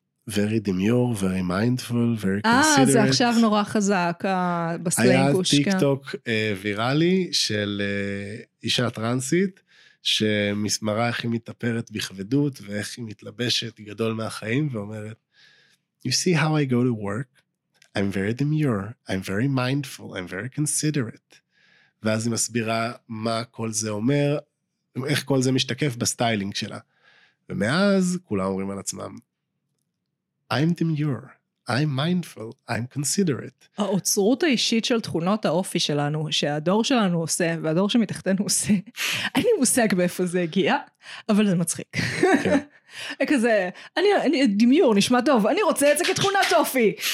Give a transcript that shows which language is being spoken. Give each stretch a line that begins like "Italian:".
English: Very demure, very mindful, very considerate.
Hebrew: זה עכשיו נורא חזק, בסלנג גוש. היה טיק טוק ויראלי של אישה טרנסית, שמראה איך היא מתאפרת בכבדות, ואיך היא מתלבשת גדול מהחיים, ואומרת,
English: you see how I go to work? I'm very demure, I'm very mindful, I'm very considerate.
Hebrew: ואז היא מסבירה מה כל זה אומר, איך כל זה משתקף בסטיילינג שלה. ומאז כולם אומרים על עצמם,
English: I'm demure, I'm mindful, I'm considerate.
Hebrew: האוצרות האישית של תכונות האופי שלנו, שהדור שלנו עושה, והדור שמתחתנו עושה, אין לי מושג באיפה זה הגיע, אבל זה מצחיק. כזה, אני demure, נשמע טוב, אני רוצה את זה כתכונת אופי.